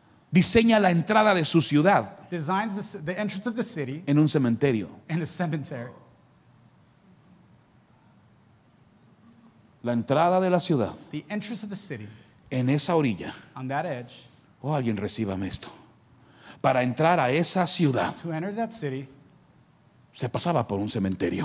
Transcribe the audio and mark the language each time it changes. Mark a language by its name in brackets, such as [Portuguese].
[Spanish] Diseña la entrada de su ciudad [English] the entrance of the city [Spanish] en un cementerio. [English] In a cemetery. [Spanish] La entrada de la ciudad [English] the entrance of the city [Spanish] en esa orilla. [English] On that edge, [Spanish] oh, alguien recíbame esto. Para entrar a esa ciudad [English] to enter that city, [Spanish] se pasaba por un cementerio.